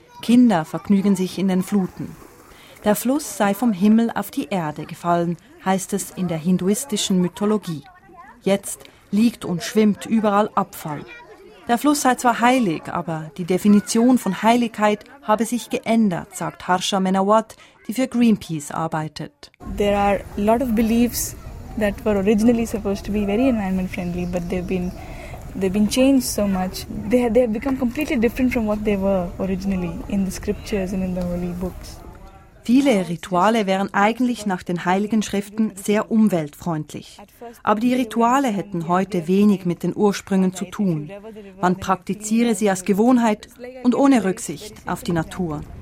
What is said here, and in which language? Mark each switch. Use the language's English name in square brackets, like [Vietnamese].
[German] Kinder vergnügen sich in den Fluten. Der Fluss sei vom Himmel auf die Erde gefallen, heißt es in der hinduistischen Mythologie. Jetzt liegt und schwimmt überall Abfall. Der Fluss sei zwar heilig, aber die Definition von Heiligkeit habe sich geändert, sagt Harsha Menawat, die für Greenpeace arbeitet. [English] There are a lot of beliefs that were originally supposed to be very environment friendly, but they've been changed so much. They have become completely different from what they were originally in the scriptures and in the holy books. [German] Viele Rituale wären eigentlich nach den Heiligen Schriften sehr umweltfreundlich. Aber die Rituale hätten heute wenig mit den Ursprüngen zu tun. Man praktiziere sie als Gewohnheit und ohne Rücksicht auf die Natur.